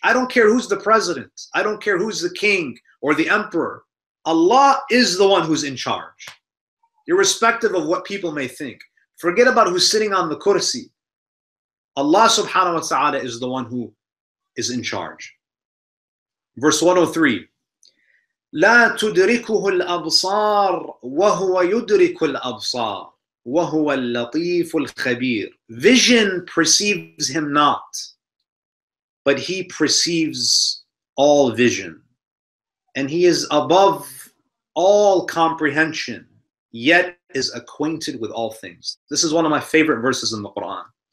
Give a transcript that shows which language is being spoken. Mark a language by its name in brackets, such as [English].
[English] I don't care who's the president. I don't care who's the king or the emperor. Allah is the one who's in charge, irrespective of what people may think. Forget about who's sitting on the kursi. Allah subhanahu wa ta'ala is the one who is in charge. Verse 103. [Arabic] لا تدركه الأبصار وهو يدرك الأبصار وهو اللطيف الخبير. [English] Vision perceives him not, but he perceives all vision. And he is above all comprehension, yet is acquainted with all things. This is one of my favorite verses in the Quran.